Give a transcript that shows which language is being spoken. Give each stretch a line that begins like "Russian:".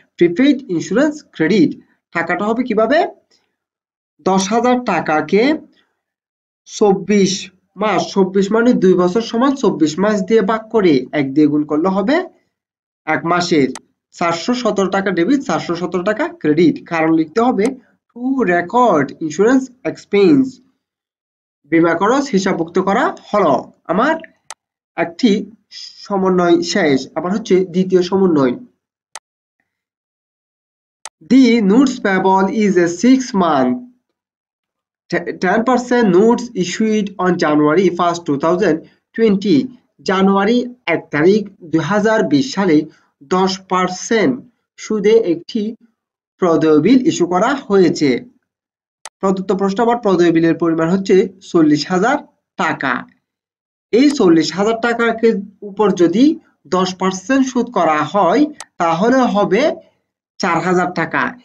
Bangla: Prepaid insurance credit. টাকাটা হবে কিভাবে? 10,000 টাকাকে 24 মাস, 24 মানে 2 বছর সমান 24 মাস দিয়ে ভাগ করে 1 দিয়ে গুণ করলে হবে এক মাসের 417 টাকা ডেবিট, 417 টাকা ক্রেডিট। কারণ লিখতে হবে
English: to record insurance expense,
Bangla: বিমা খরচ হিসাবভুক্ত করা হলো। আমার একটি সমন্বয় শেষ। আবার হচ্ছে দ্বিতীয় সমন্বয়।
English: The notes payable is a 6 month. 10% notes issued on January 1st, 2020.
Bangla: January 1st, 2020, 10% সুদে একটি প্রদেয়বিল ইস্যু করা হয়েছে। প্রদত্ত প্রশ্ন আবার প্রদেয়বিলের পরিমাণ হচ্ছে 40,000 টাকা। এই 40,000 টাকার উপর যদি 10% সুদ করা হয় তাহলে হবে 4,000 টাকা।